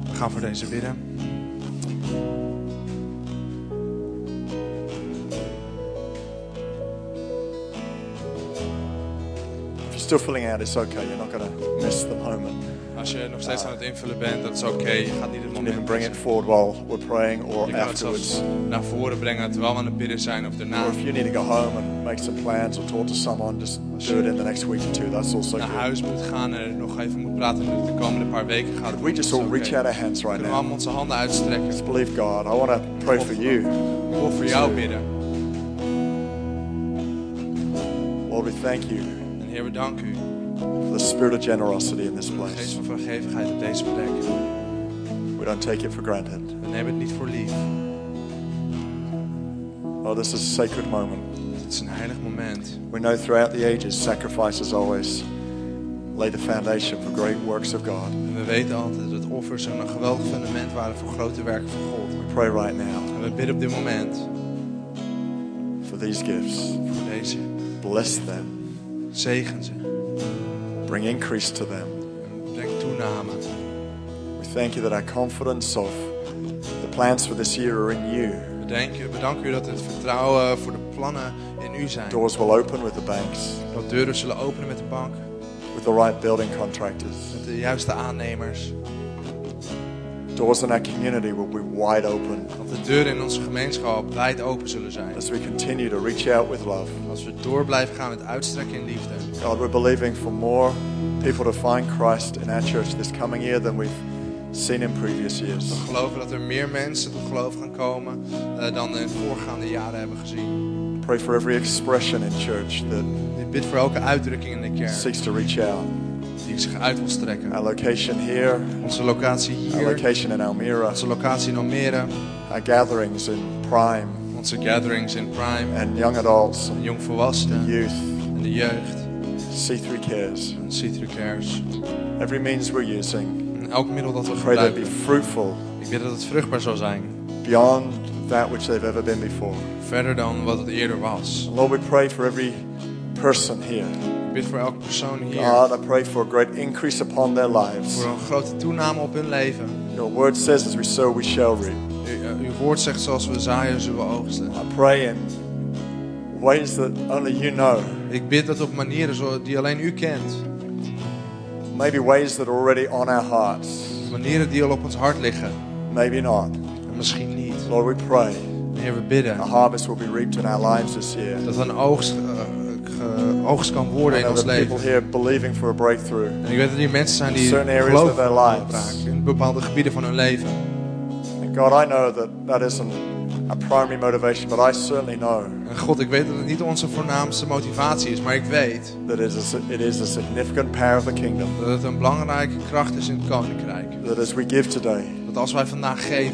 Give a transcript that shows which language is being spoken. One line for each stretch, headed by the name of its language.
Dutch: We gaan voor deze bidden.
English: If you're still filling out, it's okay. You're not going to miss the moment.
Dutch: Als je nog steeds aan het invullen bent, dat is oké. Je gaat niet het moment.
English: You can bring it forward while we're praying or afterwards.
Dutch: Naar voren brengen terwijl we aan het bidden zijn of daarna.
English: Or if you need to go home and make some plans or talk to someone, just do it in the next week or two. That's also good.
Dutch: Naar huis moet gaan en nog even moet praten nu de komende paar weken gaat.
English: We just all reach out our hands right now.
Dutch: We gaan onze handen uitstrekken.
English: Just believe God. I want to pray for you.
Dutch: Ik wil voor jou bidden.
English: Lord, we thank you.
Dutch: En Heer, we danken u.
English: For the spirit of generosity in this place.
Dutch: Geest van vergevingheid op deze plek.
English: We don't take it for granted.
Dutch: We nemen het niet voor lief.
English: Oh, this is a sacred moment.
Dutch: Het is een heilig moment.
English: We know throughout the ages, sacrifices always lay the foundation for great works of God.
Dutch: En we weten altijd dat offers een geweldig fundament waren voor grote werken van God.
English: We pray right now.
Dutch: En we bidden op dit moment.
English: For these gifts.
Dutch: Voor deze.
English: Bless them.
Dutch: Zegen ze.
English: Bring increase to them.
Dutch: Breng toename.
English: We thank you that our confidence of the plans for this year are in you.
Dutch: Bedank u dat het vertrouwen voor de plannen in u zijn.
English: Doors will open with the banks.
Dutch: Dat deuren zullen openen met de bank.
English: With the right building contractors.
Dutch: Met de juiste aannemers.
English: Doors in our community will be wide open.
Dutch: Dat de deuren in onze gemeenschap wijd open zullen zijn.
English: As we continue to reach out with love.
Dutch: Als we door blijven gaan met uitstrekken in liefde.
English: God, we're believing for more people to find Christ in our church this coming year than we've seen in previous years.
Dutch: We geloven dat er meer mensen tot geloof gaan komen dan in voorgaande jaren hebben gezien.
English: Pray for every expression in church that.
Dutch: Ik bid voor elke uitdrukking in de kerk.
English: Seeks to reach out.
Dutch: Die zich uit wil strekken.
English: Our location here.
Dutch: Onze locatie hier.
English: Our location in Almere.
Dutch: Onze locatie in Almere.
English: Our gatherings in Prime.
Dutch: Onze gatherings in Prime.
English: And young adults.
Dutch: En jong volwassenen.
English: Youth.
Dutch: En de jeugd.
English: C3 cares.
Dutch: And C3 cares.
English: Every means we're using.
Dutch: En elk middel dat we
English: pray
Dutch: gebruiken.
English: That it be fruitful.
Dutch: Ik bid dat het vruchtbaar zal zijn.
English: Beyond that which they've ever been before.
Dutch: Verder dan wat het eerder was.
English: Lord, we pray for every person here.
Dutch: Ik bid voor elke persoon hier.
English: God, I pray for a great increase upon their lives.
Dutch: Voor een grote toename op hun leven.
English: Your word says as we sow, we shall reap.
Dutch: Uw woord zegt zoals we zaaien, zullen we oogsten.
English: I pray in ways that only you know.
Dutch: Ik bid dat op manieren die alleen u kent.
English: Maybe ways that are already on our hearts.
Dutch: Manieren die al op ons hart liggen.
English: Maybe not.
Dutch: En misschien niet.
English: Lord, we pray.
Dutch: Heer, we bidden.
English: A harvest will be reaped in our lives this year.
Dutch: Dat een oogst kan worden in ons leven.
English: People here believing for a breakthrough.
Dutch: En ik weet dat er mensen zijn die geloof in bepaalde gebieden van hun leven.
English: And God, I know that that isn't a primary motivation, but I certainly know.
Dutch: En God, ik weet dat het niet onze voornaamste motivatie is, maar ik weet
English: that it is a significant power of the kingdom.
Dutch: Dat het een belangrijke kracht is in het koninkrijk.
English: That as we give today,
Dutch: dat als wij vandaag geven,